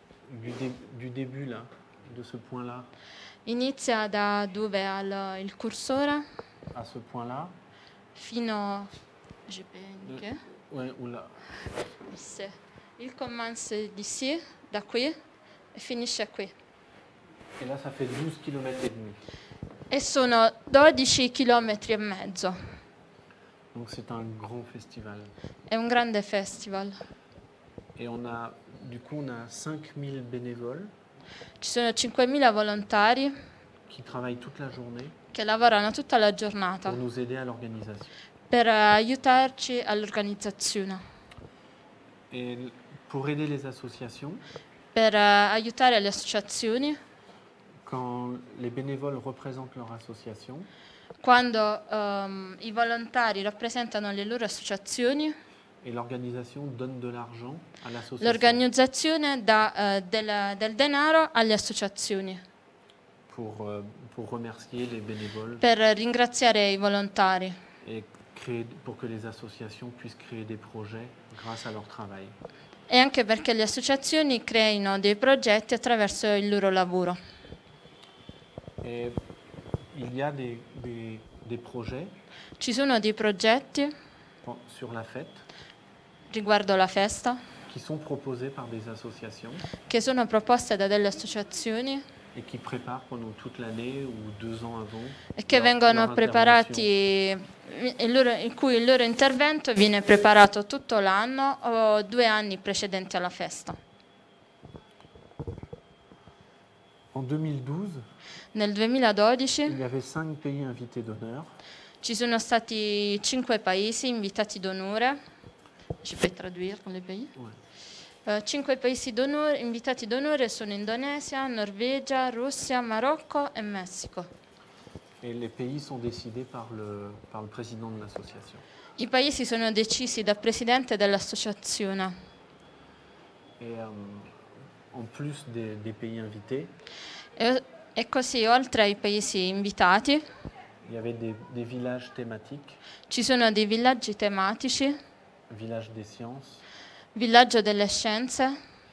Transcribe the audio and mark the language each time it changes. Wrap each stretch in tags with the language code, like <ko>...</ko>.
<fr>Du début là, de ce point là.</fr> <it>Inizia da dove il cursore?</it> <fr>A ce point là.</fr> <it>Fino a GPNK.</it> <fr>Ouais, ou là. Il commence d'ici,</fr> <it>da qui, e finisce qui.</it> <fr>E là ça fait 12 km et demi.</fr> <it>E sono 12 km e mezzo.</it> <fr>Donc c'est un grand festival.</fr> <it>È un grande festival.</it> <fr>Et on a du coup on a 5000 bénévoles.</fr> <it>Ci sono 5000 volontari</it> <fr>qui travaillent toute la journée.</fr> <it>Che lavorano tutta la giornata.</it> <fr>Pour nous aider à l'organisation.</fr> <it>Per aiutarci all'organizzazione.</it> <fr>Et pour aider les associations.</fr> <it>Per aiutare le associazioni.</it> <fr>Quand les bénévoles représentent leur association.</fr> <it>Quando i volontari rappresentano le loro associazioni, e l'organizzazione</it> <fr>donne de l'argent à l'association.</fr> <it>L'organizzazione dà del denaro alle associazioni.</it> <fr>Pour remercier les bénévoles.</fr> <it>Per ringraziare i volontari.</it> <fr>E pour que les associations puissent créer des projets grâce à leur travail.</fr> <it>E anche perché le associazioni creino dei progetti attraverso il loro lavoro.</it> <fr>Il y a des projets.</fr> <it>Ci sono dei progetti</it> <fr>sur la fête.</fr> <it>Riguardo la festa.</it> <fr>Qui sont proposés par des associations.</fr> <it>Che sono proposte da delle associazioni.</it> <fr>Et qui préparent pendant toute l'année ou deux ans avant.</fr> <it>E che vengono preparati in cui il loro intervento viene preparato tutto l'anno o due anni precedenti alla festa.</it> <fr>En 2012.</fr> <it>Nel 2012</it> <fr>il y avait 5 pays invités d'honneur.</fr> <it>Ci sono stati 5 paesi invitati d'onore. Ci puoi tradurre con le paesi? Ouais. 5 paesi d'onore invitati d'onore sono Indonesia, Norvegia, Russia, Marocco e Messico.</it> <fr>Et les pays sont décidés par le président de l'association.</fr> <it>I paesi sono decisi dal presidente dell'associazione.</it> <fr>Et en plus des pays invités.</fr> <it>E così, oltre ai paesi invitati,</it> <fr>Il y avait des villages thématiques.</fr> <it>Ci sono dei villaggi tematici.</it> <fr>Village des sciences.</fr> <it>Villaggio delle scienze.</it>